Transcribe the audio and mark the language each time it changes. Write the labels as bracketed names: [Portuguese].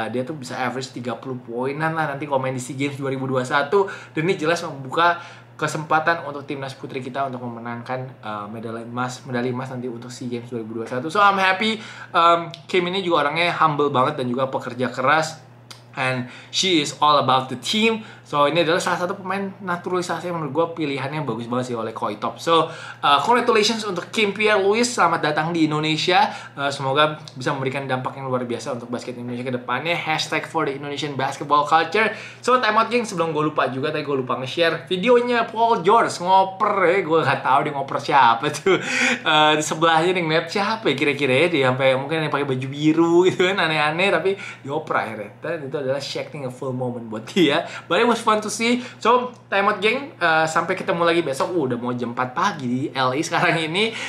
[Indonesian] Dia tuh bisa average 30 poinan lah nanti komen di SEA Games 2021. Dan ini jelas membuka kesempatan untuk timnas putri kita untuk memenangkan medali emas nanti untuk SEA Games 2021. [English] So I'm happy. [Indonesian] Kim ini juga orangnya humble banget dan juga pekerja keras. [English] And she is all about the team. [Indonesian] So ini adalah salah satu pemain naturalisasi menurut gue pilihannya bagus banget sih oleh Koi Top. [English] So congratulations [Indonesian] untuk Kim Pierre Louis, selamat datang di Indonesia. Semoga bisa memberikan dampak yang luar biasa untuk basket Indonesia ke depannya. [English] Hashtag for the Indonesian basketball culture. So time out, [Indonesian] geng, sebelum gue lupa juga, tadi gue lupa nge-share videonya Paul George ngoper ya. Gue gak tahu dia ngoper siapa tuh. Di sebelahnya nih ngeliat siapa ya kira-kira ya. Dia sampai mungkin yang pakai baju biru gitu kan, aneh-aneh, tapi dioper akhirnya. Dan itu adalah [English] shaking a full moment [Indonesian] buat dia. [English] But it was fun to see. So time out, [Indonesian] geng, sampai ketemu lagi besok. Udah mau jam 4 pagi di LA sekarang ini.